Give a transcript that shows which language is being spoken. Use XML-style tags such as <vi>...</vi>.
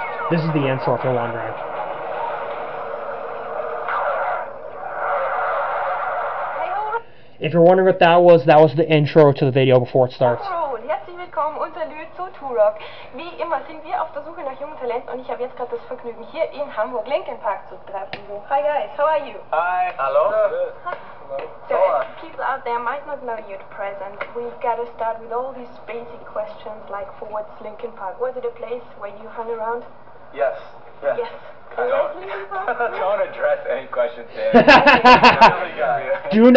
<en>This is the intro, if you're wondering. If you're wondering what that was the intro to the video before it starts.</en> <de>Herzlich willkommen unter Lü zu Turok. Wie immer sind wir auf der Suche nach jungen Talenten und ich habe jetzt gerade das Vergnügen, hier in Hamburg Linkin Park zu treffen.</de> <en>So, hi guys, how are you? Hi, hello. So, people out there might not know you at present. We've got to start with all these basic questions, like for what's Linkin Park? Was it a place where you hung around? Yes. Don't address any questions to</en>